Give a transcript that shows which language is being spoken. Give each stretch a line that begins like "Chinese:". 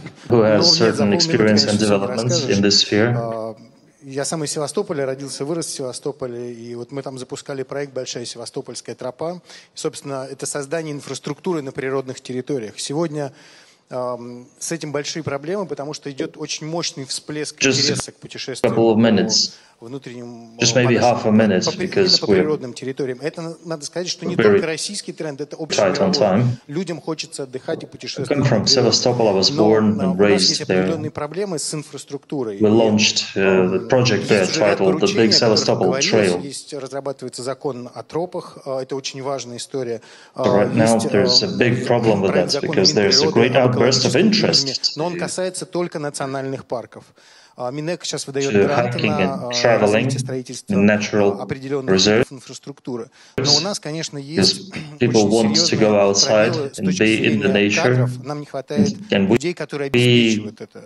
English: Who has certain experience and developments in this sphere.
Russian: Я сам из Севастополя, родился, вырос в Севастополе, и вот мы там запускали проект «Большая Севастопольская тропа». И, собственно, это создание инфраструктуры на природных территориях. Сегодня с этим большие проблемы, потому что идет очень мощный всплеск интереса к путешествиям по внутренним, по природным территориям. Это надо сказать, что не только российский тренд, это общий. Людям хочется отдыхать и путешествовать. Но у нас есть определенные проблемы с инфраструктурой.
English: We launched the project there titled the Big Sevastopol Trail.
Russian: Есть, разрабатывается закон о тропах, это очень важная история.
English: Right now there's a big problem with that because there's a great outburst of interest.
Russian: Но он касается только национальных парков. Минэк сейчас выдает гранты на развитие строительства определенных инфраструктуры. Но у нас, конечно, есть очень серьезные проблемы. Нам не хватает людей, которые обеспечивают это.